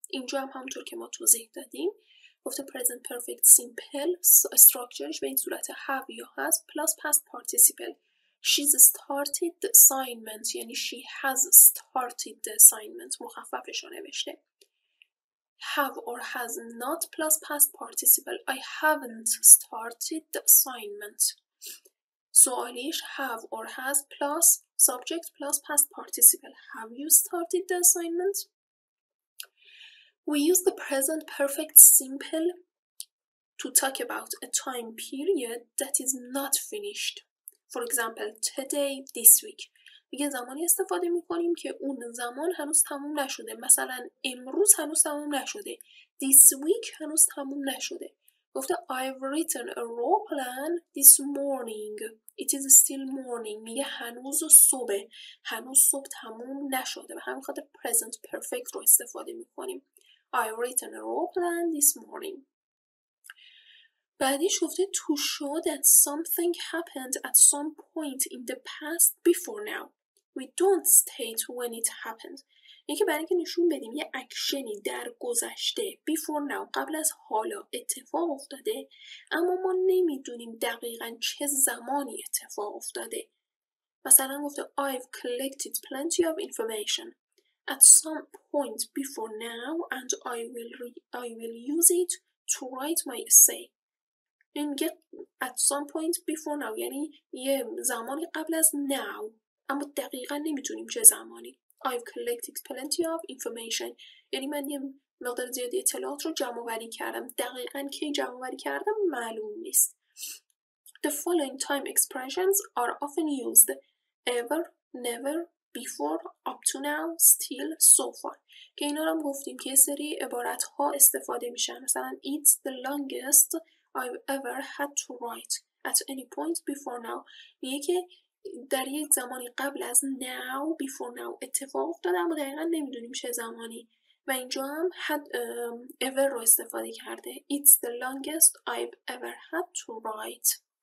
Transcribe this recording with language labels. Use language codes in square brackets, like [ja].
[fa] اینجا هم همونطور که ما توضیح دادیم، گفته پرزنت پرفکت سیمپل استراکچرش به این صورت [en] Have یا has plus past participle. She's started the assignment, [fa] یعنی [en] she has started the assignment, [fa] مخففش رو نوشته. [en] Have or has not plus past participle. I haven't started the assignment. [fa] سوالیش [en] have or has plus subject plus past participle. Have you started the assignment? We use the present perfect simple to talk about a time period that is not finished. For example, today, this week. [fa] یه زمانی استفاده میکنیم که اون زمان هنوز تموم نشده، مثلا امروز هنوز تموم نشده، [en] this week [fa] هنوز تموم نشده. گفته [en] I've written a raw plan this morning. It is still morning. [fa] میگه هنوز صبح، هنوز صبح تموم نشده. به همین خاطر present perfect رو استفاده میکنیم. [en] I've written a raw plan this morning. [fa] بعدیش گفته [en] to show that something happened at some point in the past before now. We don't state when it happened. [fa] اینکه برای اینکه نشون بدیم یه اکشنی در گذشته، [en] before now، [fa] قبل از حالا اتفاق افتاده، اما ما نمیدونیم دقیقاً چه زمانی اتفاق افتاده. مثلا گفته [en] I've collected plenty of information at some point before now and I will use it to write my essay. [fa] اینکه [en] at some point before now [fa] یعنی یه زمانی قبل از now، اما دقیقا نمیتونیم چه زمانی. [en] I've collected plenty of information. [fa] یعنی من یه مقدار زیادی اطلاعات رو جمع‌آوری کردم. دقیقا کی جمع‌آوری کردم معلوم نیست. [en] The following time expressions are often used. Ever, never, before, up to now, still, so far. [fa] که اینا رو هم گفتیم که یه سری عبارت ها استفاده میشن. مثلا [en] it's the longest I've ever had to write at any point before now. [fa] میگه که در یک زمانی قبل از now، [en] before now [fa] اتفاق افتاده، اما دقیقا نمیدونیم چه زمانی. و اینجا هم [en] had ever [fa] رو استفاده کرده. [en] It's the longest I've ever had to write.